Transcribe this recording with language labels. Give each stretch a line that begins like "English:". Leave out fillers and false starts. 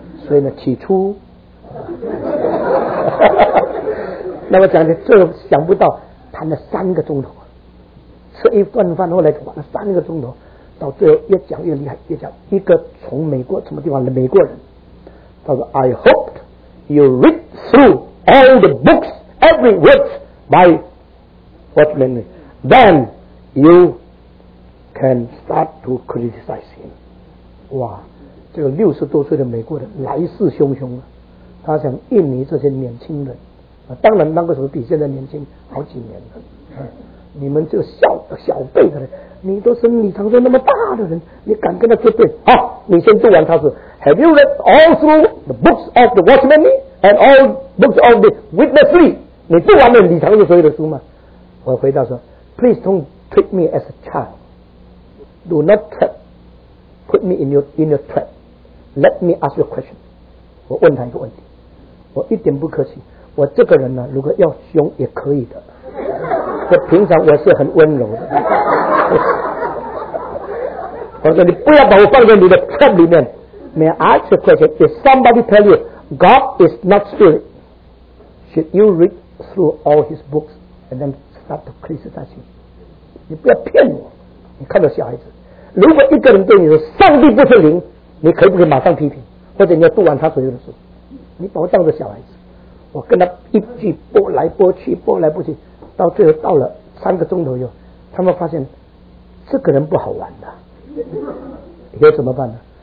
Chinese: 所以呢起初那么讲的这想不到谈了三个钟头，吃一顿饭后来玩了三个钟头，到最后越讲越厉害，越讲一个从美国什么地方的美国人，他说
English: I hope you read through all the books every word by what's my name, then you can start to criticize him。
Chinese: 哇，这个六十多岁的美国人来势汹汹啊！他想印尼这些年轻人、当然那个时候比现在年轻好几年了、你们这个 小辈的人，你都是李长寿那么大的人，你敢跟他作对？好，你先读完。他说
English: Have you read all through the books of the Watchman Nee and all books of the Witness Lee?
Chinese: 你读完了李长寿所有的书吗？我回答说
English: Please don't treat me as a child. Do not trap. Put me in your trap. Let me ask you a question.
Chinese: 我问他一个问题，我一点不客气，我这个人呢，如果要凶也可以的，我平常我是很温柔的。我说你不要把我放在你的 trap 里面。
English: May I ask you a question? If somebody tell you God is not spirit, should you read through all his books and then start to criticize him?
Chinese: 你不要骗我。你看到小孩子，如果一个人对你说上帝不是灵，你可以不可以马上批评，或者你要读完他所有的书？你把我当着小孩子，我跟他一句拨来拨去拨来拨去，到最后到了三个钟头以后，他们发现这个人不好玩的，有怎么办呢？